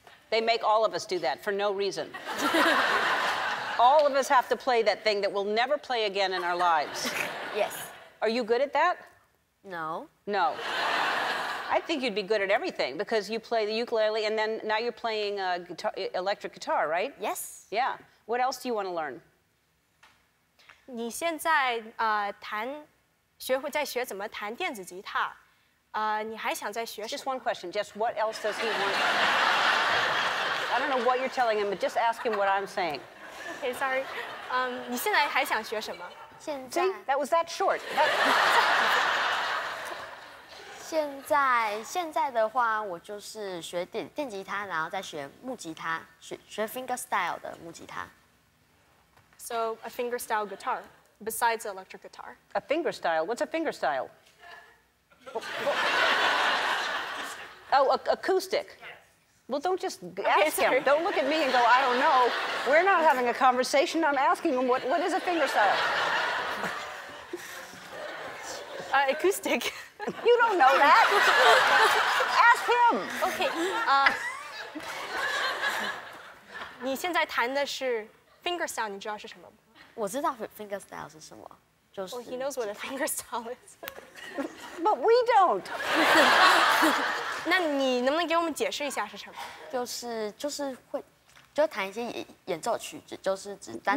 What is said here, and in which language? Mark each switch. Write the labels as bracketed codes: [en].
[en] They make all of us do that for no reason. All of us have to play that thing that we'll never play again in our lives. Yes. Are you good at that? No. No. I think you'd be good at everything because you play the ukulele and then now you're playing electric guitar, right? Yes. Yeah. What else do you want to learn? [zh] 你现在弹，学会在学怎么弹电子吉他，你还想再学什么？ [en] Just one question. Just what else does he want? I don't know what you're telling him, but just ask him what I'm saying. Okay, sorry. [zh] 你现在还想学什么？现在。 [en] See, that was that short. That... [zh] 现在的话，我就是学电吉他，然后再学木吉他，学 finger style 的木吉他。 [en] So a finger style guitar, besides electric guitar. A finger style. What's a finger style? Oh, acoustic. Well, don't just ask him. Don't look at me and go, I don't know. We're not having a conversation. I'm asking him what is a finger style. Acoustic. You don't know that. Ask him. Okay. [zh] 你现在弹的是 finger style， 你知道是什么吗？我知道 finger style 是什么，就是。 [en] Well, he knows what a finger style is. But we don't. [zh] 那你能不能给我们解释一下是什么？就是会，就弹一些演奏曲子，就是指单。